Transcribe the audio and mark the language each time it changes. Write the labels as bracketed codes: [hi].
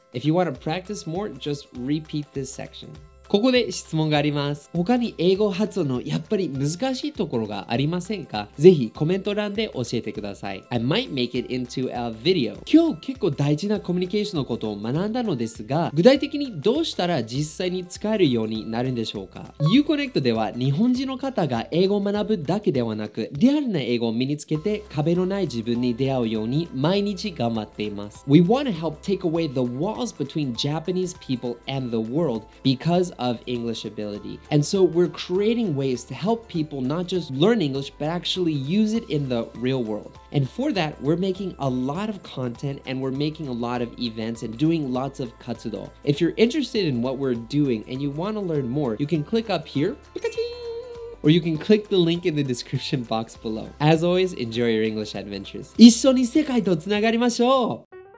[en] If you want to practice more, just repeat this section. [ja] ここで質問があります。他に英語発音のやっぱり難しいところがありませんか？ぜひコメント欄で教えてください。 [en] I might make it into a video. [ja] 今日結構大事なコミュニケーションのことを学んだのですが、具体的にどうしたら実際に使えるようになるんでしょうか？ Uconnect では日本人の方が英語を学ぶだけではなく、リアルな英語を身につけて壁のない自分に出会うように毎日頑張っています。 [en] We want to help take away the walls between Japanese people and the world becauseof English ability. And so we're creating ways to help people not just learn English, but actually use it in the real world. And for that, we're making a lot of content and we're making a lot of events and doing lots of katsudo. If you're interested in what we're doing and you want to learn more, you can click up here, or you can click the link in the description box below. As always, enjoy your English adventures. [ja] 一緒に世界とつながりましょう。